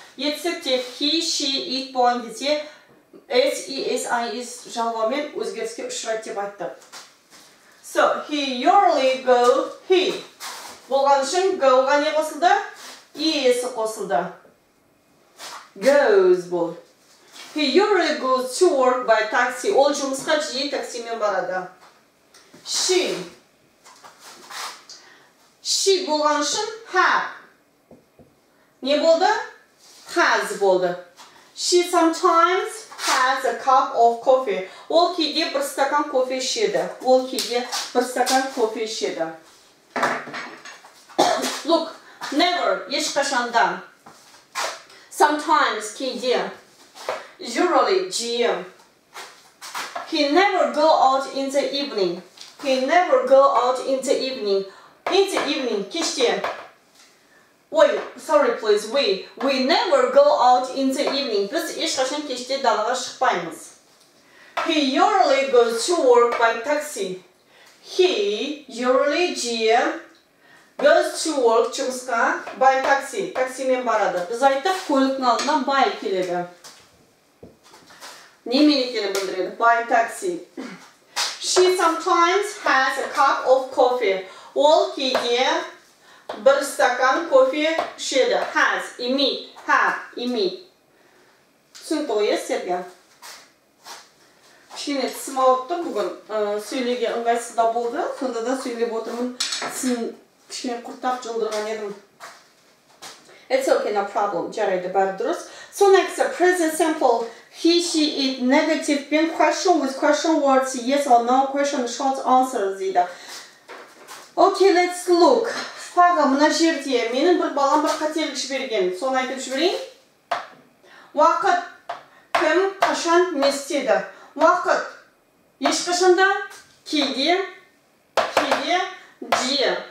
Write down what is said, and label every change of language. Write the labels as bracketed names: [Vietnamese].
[Kazakh] Етістік тек he, she, it болған кезде s, e, s, i, s жалғамен өзгеріске ұшырайды деп айтты. [English] So, he usually go, he. [Kazakh] Болған үшін go-ға не қосылды? Е-есі қосылды. Goes бол. [English] He usually goes to work by taxi. [Kazakh] Ол жұмысқа жиі таксимен барады. [English] She. [Kazakh] She болған үшін have. Не болды? Has болды. [English] She sometimes has a cup of coffee. [Kazakh] Ол кейде бір стакан кофе ішеді. [English] Look. Never. [Kazakh] Ешқашанда. [English] Sometimes. [Kazakh] Кейде. [English] Usually, GM. He never go out in the evening. He never go out in the evening. In the evening, [Kazakh] кеште. [English] We never go out in the evening. [Kazakh] Біз ешқашан кеште далаға шықпаймыз. [English] He usually goes to work by taxi. He usually GM goes to work [Kazakh] жұмысқа [English] by taxi. [Kazakh] Таксимен барады. Біз айттық, көліктің алдынан by келеді. Немен екені білдіреді? [English] By taxi. She sometimes has a cup of coffee. [Kazakh] Ол кейде бір стакан кофе ішеді. Has, имеет, have, имеет. Түсінті ғой естерге? Кішкене тісім ауырды бүгін. Сөйлеуге ыңғайсызда болды. Сонда да сөйлеп отырмын. Тісім кішкене құрттап жылдырған едім. [English] It's okay, no problem. [Kazakh] Жарайды бәрі дұрыс. [English] So next, the present simple. He, she, it, negative, been question with question words, yes or no, question, short answers, [Kazakh] дейді. [English] Okay, let's look. [Kazakh] Тағы мына жерде менің бір балам бір қателік жіберген. Соны айтып жіберейін. Уақыт кім қашан не істеді? Уақыт ешқашанда кейде, кейде, жиі.